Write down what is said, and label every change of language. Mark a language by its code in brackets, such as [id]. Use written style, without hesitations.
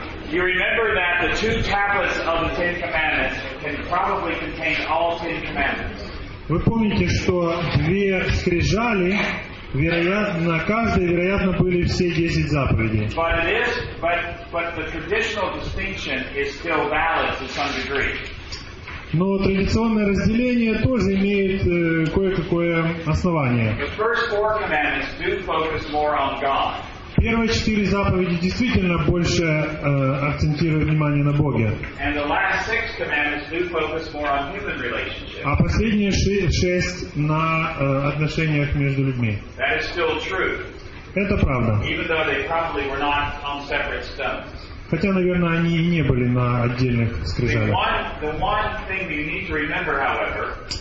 [en] You remember that the two tablets of the Ten Commandments can probably contain all Ten Commandments. [ru] Вы помните, что две скрижали, вероятно, каждой, вероятно, были все 10 заповедей. [en] But the traditional distinction is still valid to some degree. [ru] Но традиционное разделение тоже имеет кое-какое основание. [en] The first four commandments do focus more on God. [ru] Первые четыре заповеди действительно больше акцентируют внимание на Боге. [en] And the last six commandments do focus more on human relationships. [ru] А последние шесть на отношениях между людьми. [en] That is still true. [ru] Это правда. [en] Even though they probably were not on separate stones. [ru] Хотя, наверное, они и не были на отдельных скрижалях. [en] The one thing you need to remember, however,